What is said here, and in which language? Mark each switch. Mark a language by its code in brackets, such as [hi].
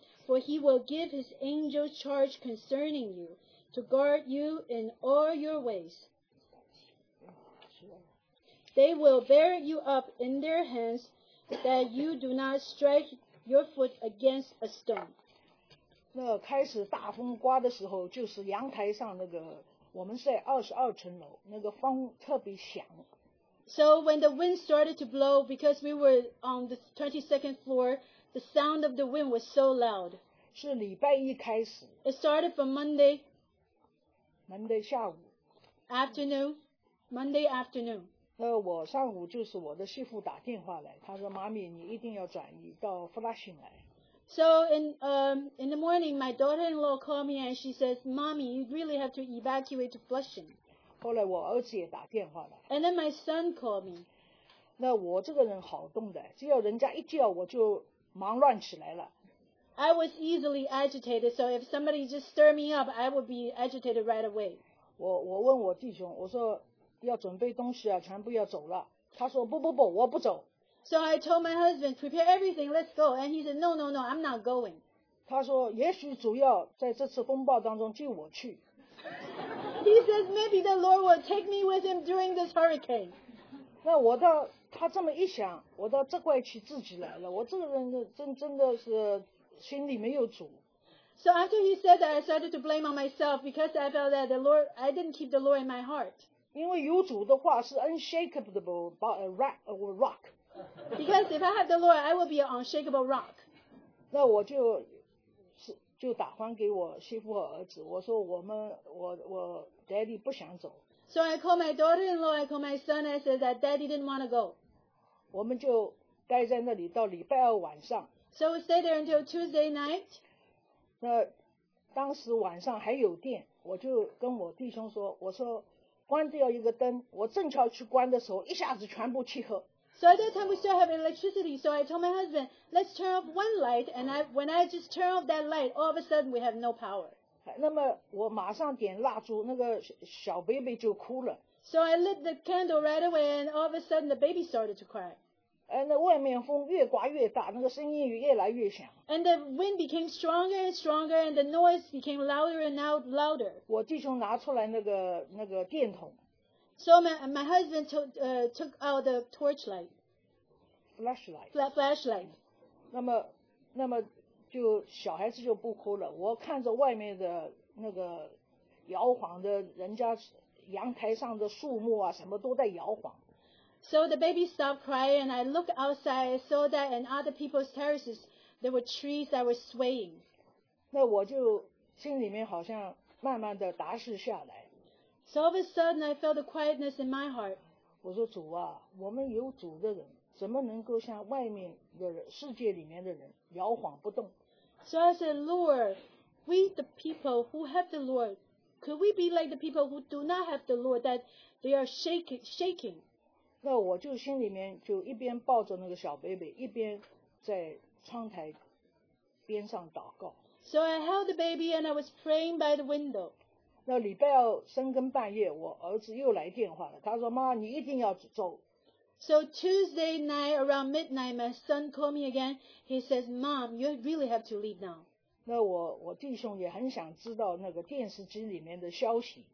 [en] For he will give his angels charge concerning you, to guard you in all your ways. They will bear you up in their hands, that you do not strike your foot against a stone. [zh] 那开始大风刮的时候，就是阳台上那个，我们在22层楼，那个风特别响。 [en] So when the wind started to blow, because we were on the 22nd floor, the sound of the wind was so loud. [zh] 是礼拜一开始。 [en] It started from Monday. Monday [zh] 下午。 [en] Afternoon. Monday afternoon. [zh] 那我上午就是我的媳妇打电话来，她说妈咪你一定要转移到弗拉逊来。 [en] So in the morning, my daughter-in-law called me and she says, Mommy, you really have to evacuate to Flushing. [zh] 后来我儿子也打电话来。 [en] And then my son called me. [zh] 那我这个人好动的，只要人家一叫我就忙乱起来了。 [en] I was easily agitated, so if somebody just stirred me up, I would be agitated right away. [zh] 我问我弟兄，我说要准备东西啊，全部要走了。他说不不不，我不走。 [en] So I told my husband, prepare everything, let's go. And he said, no, I'm not going. [zh] 他说也许主要在这次风暴当中救我去。 [en] He says, maybe the Lord will take me with him during this hurricane. [zh] 那我到他这么一想，我倒责怪起自己来了。我这个人真的是心里没有主。 [en] So after he said that, I started to blame on myself because I felt that the Lord, I didn't keep the Lord in my heart. [zh] 因为有主的话是 [en] unshakable by a rock. Because if I have the Lord, I will be an unshakable rock. [zh] 那我就打还给我媳妇和儿子，我说我 [en] daddy [zh] 不想走。 [en] So I called my daughter-in-law, I called my son, and I said that daddy didn't want to go. [zh] 我们就待在那里到礼拜二晚上。 [en] So we stayed there until Tuesday night. [zh] 那当时晚上还有电，我就跟我弟兄说，我说关掉一个灯，我正巧去关的时候，一下子全部漆黑。 [en] So at that time we still have electricity, so I told my husband, let's turn off one light, and when I just turn off that light, all of a sudden we have no power. [zh] 那么我马上点蜡烛，那个小 baby 就哭了。 [en] So I lit the candle right away, and all of a sudden the baby started to cry. [zh] 那外面风越刮越大，那个声音越来越响。 [en] And the wind became stronger and stronger, and the noise became louder and louder. [zh] 我弟兄拿出来那个电筒。 [en] So my husband took out the torchlight. Flashlight. [zh] 那么就小孩子就不哭了。我看着外面的那个摇晃的人家阳台上的树木啊，什么都在摇晃。 [en] So the baby stopped crying, and I looked outside, I saw that in other people's terraces, there were trees that were swaying. [zh] 那我就心里面好像慢慢的踏实下来。 [en] So all of a sudden, I felt a quietness in my heart. [zh] 我说主啊，我们有主的人，怎么能够像外面的人、世界里面的人摇晃不动？ [en] So I said, Lord, we the people who have the Lord, could we be like the people who do not have the Lord, that they are shaking? [zh] 那我就心里面就一边抱着那个小 baby， 一边在窗台边上祷告。 [en] So I held the baby and I was praying by the window. [zh] 那礼拜二深更半夜，我儿子又来电话了。他说：“妈，你一定要走。” [en] So Tuesday night around midnight, my son called me again. He says, "Mom, you really have to leave now." [zh] 那我弟兄也很想知道那个电视机里面的消息。